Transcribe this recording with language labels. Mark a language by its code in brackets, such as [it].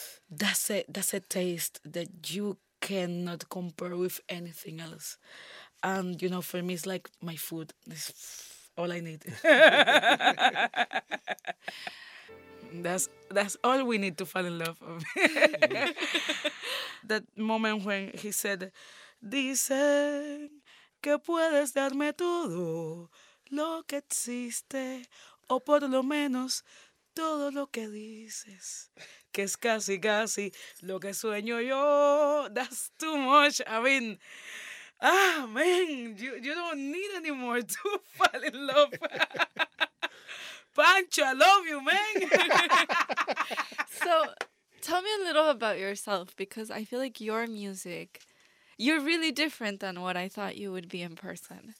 [en] that's a taste that you cannot compare with anything else. And, you know, for me, it's like my food. It's all I need. That's all we need to fall in love with. That moment when he said, [es] dicen que puedes darme todo lo que existe, o por lo menos todo lo que dices, que es casi casi lo que sueño yo. [en] That's too much. I mean, ah, man, you don't need anymore to fall in love. Pancho, I love you, man. So tell me a little about yourself, because I feel like your music, you're really different than what I thought you would be in person.